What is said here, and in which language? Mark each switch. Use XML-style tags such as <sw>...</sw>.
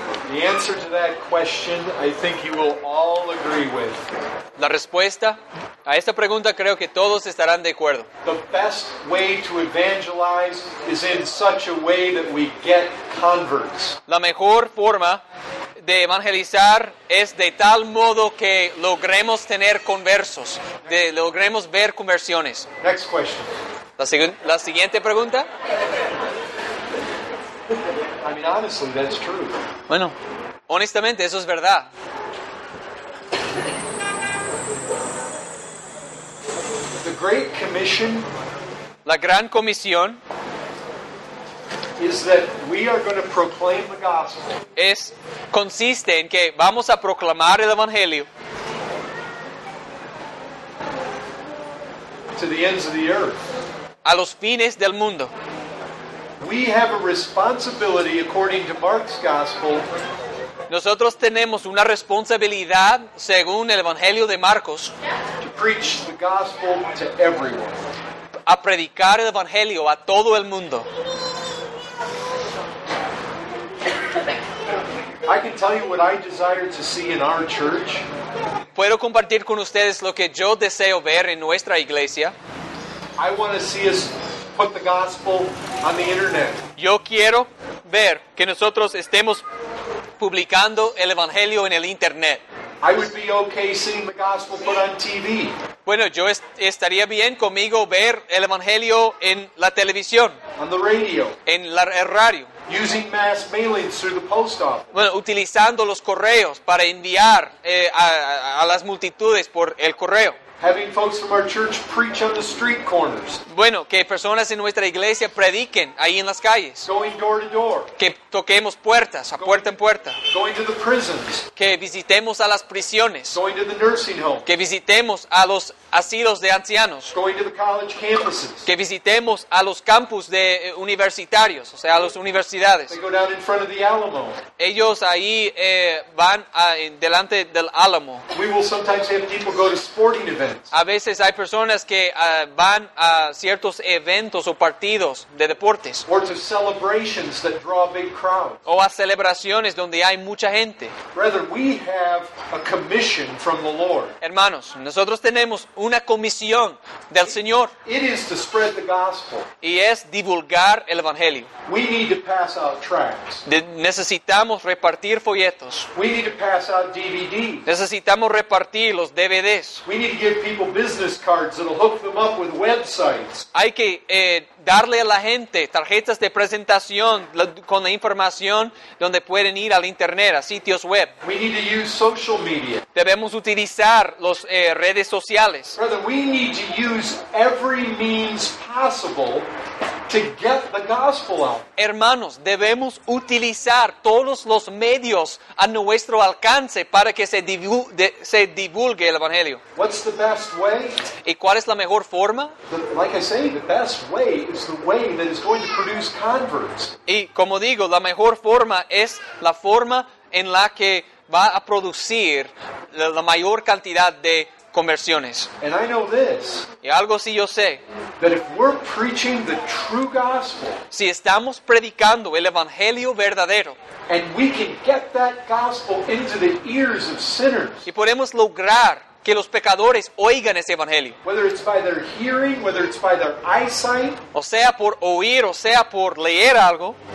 <en>The answer to that question, I think you will all agree with.</en> <es>La respuesta a esta pregunta creo que todos estarán de acuerdo.</es> <en>The best way to evangelize is in such a way that we get converts.</en> <es>La mejor forma de evangelizar es de tal modo que logremos tener conversos, de logremos ver conversiones.</es> <en>Next question.</en> <es>La siguiente pregunta.</es> <en>I mean, honestly, that's true.</en> <es>Bueno, honestamente, eso es verdad.</es> <en>The Great Commission.</en> <es>La Gran Comisión.</es> <en>Is that we are going to proclaim the gospel.</en> <es>Consiste en que vamos a proclamar el evangelio.</es> <en>To the ends of the earth.</en> <es>A los fines del mundo.</es> <en>We have a responsibility according to Mark's gospel.</en> <es>Nosotros tenemos una responsabilidad según el evangelio de Marcos.</es> <en>To preach the gospel to everyone.</en> <es>A predicar el evangelio a todo el mundo.</es> <en>I can tell you what I desire to see in our church.</en> <es>Puedo compartir con ustedes lo que yo deseo ver en nuestra iglesia.</es> <en>I want to see us put the gospel on the internet.</en> <es>Yo quiero ver que nosotros estemos publicando el evangelio en el internet.</es> <en>I would be okay seeing the gospel put on TV.</en> <es>Bueno, yo estaría bien conmigo ver el evangelio en la televisión.</es> <en>On the radio.</en> <es>En el radio.</es> <en>Using mass mailings through the post office.</en> <es>Bueno, utilizando los correos para enviar a las multitudes por el correo.</es> <en>Having folks from our church preach on the street corners.</en> <es>Bueno, que personas en nuestra iglesia prediquen ahí en las calles.</es> <en>Going door to door.</en> <es>Que toquemos puertas, puerta en puerta.</es> <en>Going to the prisons.</en> <es>Que visitemos a las prisiones.</es> <en>Going to the nursing home.</en> <es>Que visitemos a los asilos de ancianos.</es> <en>Going to the college campuses.</en> <es>Que visitemos a los campus de universitarios, o sea, a las universidades.</es> <en>They go down in front of the Alamo.</en> <es>Ellos ahí van delante del Alamo.</es> <en>We will sometimes have people go to sporting events.</en> <es>A veces hay personas que van a ciertos eventos o partidos de deportes.</es> <en>Or to celebrations that draw big crowds.</en> <es>O a celebraciones donde hay mucha gente.</es> <en>Brother, we have a commission from the Lord.</en> <es>Hermanos, nosotros tenemos una comisión del Señor.</es> <en>It is to spread the gospel.</en> <es>Y es divulgar el evangelio.</es> <en>We need to pass out tracts.</en> <es>Necesitamos repartir folletos.</es> <en>We need to pass out DVDs.</en> <es>Necesitamos repartir los DVDs.</es> <en>We need to give people business cards that will hook them up with websites.</en> <es>Hay que darle a la gente tarjetas de presentación con la información donde pueden ir al internet, a sitios web.</es> <en>We need to use social media.</en> <es>Debemos utilizar las redes sociales.</es> <en>Brother, we need to use every means possible to get the gospel out.</en> <es>Hermanos, debemos utilizar todos los medios a nuestro alcance para que se divulgue el evangelio.</es> <en>What's the best way?</en> <es>¿Y cuál es la mejor forma?</es> <en>Like I say, the best way is the way that is going to produce converts.</en> <es>Y como digo, la mejor forma es la forma en la que va a producir la mayor cantidad de conversiones.</es> <en>And I know this.</en> <es>Y algo sí yo sé.</es> <en>That if we're preaching the true gospel.</en> <es>Si estamos predicando el evangelio verdadero.</es> <en>And we can get that gospel into the ears of sinners.</en> <es>Y podemos lograr que los pecadores oigan ese evangelio.</es> <en>Whether it's by their hearing, whether it's by their eyesight.</en> <es>O sea, por oír, o sea, por leer algo.</es>